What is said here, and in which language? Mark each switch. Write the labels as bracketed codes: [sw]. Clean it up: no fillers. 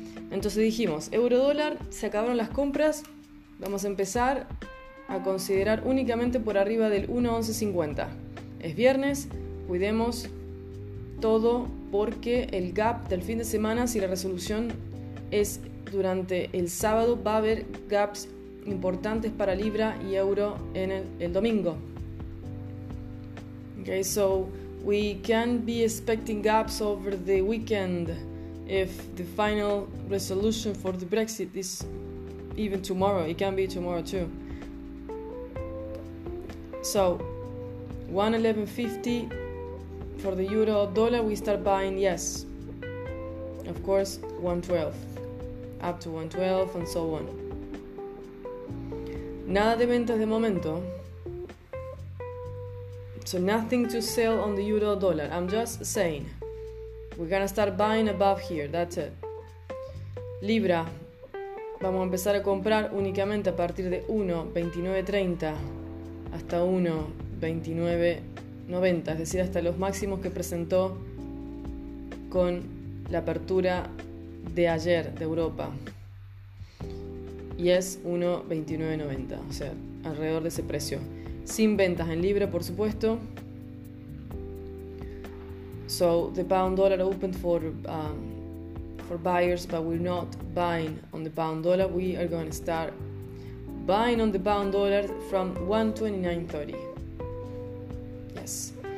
[es] Entonces dijimos, euro-dólar, se acabaron las compras. Vamos a empezar a considerar únicamente por arriba del 1.1150. Es viernes, cuidemos todo porque el gap del fin de semana, si la resolución es durante el sábado, va a haber gaps importantes para libra y euro en el domingo. [en] Okay, so we can be expecting gaps over the weekend if the final resolution for the Brexit is even tomorrow. It can be tomorrow too. So 1.1150 for the euro dollar, we start buying, yes, of course, 1.12, up to 1.12 and so on. [es] Nada de ventas de momento. [en] So nothing to sell on the euro dollar. I'm just saying, we're gonna start buying above here, that's it. [es] Libra, vamos a empezar a comprar únicamente a partir de 1.2930 hasta 1.2990, es decir, hasta los máximos que presentó con la apertura de ayer de Europa. Y es 1.2990, o sea, alrededor de ese precio. Sin ventas en libra, por supuesto. [en] So the pound dollar opened for buyers, but we're not buying on the pound dollar. We are going to start buying on the pound dollar from 1.2930. Yes.